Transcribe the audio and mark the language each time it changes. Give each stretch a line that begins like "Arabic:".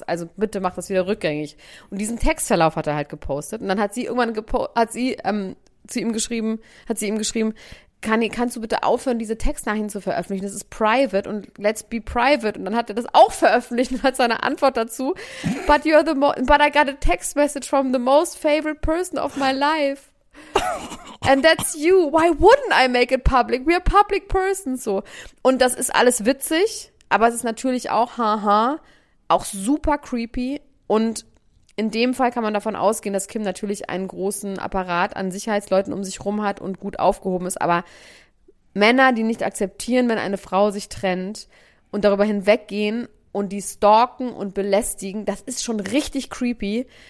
German: Also bitte mach das wieder rückgängig. Und diesen Textverlauf hat er halt gepostet. Und dann hat sie irgendwann hat sie ihm geschrieben, Kannst du bitte aufhören, diese Textnachrichten zu veröffentlichen? Das ist private und
English: let's be private.
German: Und dann hat er das auch veröffentlicht und hat seine Antwort dazu.
English: But you're the but I got a text message from the most favorite person of my life. And that's you. Why wouldn't I make it public? We are public persons. So.
German: Und das ist alles witzig, aber es ist natürlich auch haha, auch super creepy. Und in dem Fall kann man davon ausgehen, dass Kim natürlich einen großen Apparat an Sicherheitsleuten um sich rum hat und gut aufgehoben ist. Aber Männer, die nicht akzeptieren, wenn eine Frau sich trennt und darüber hinweggehen und die stalken und belästigen, das ist schon richtig creepy.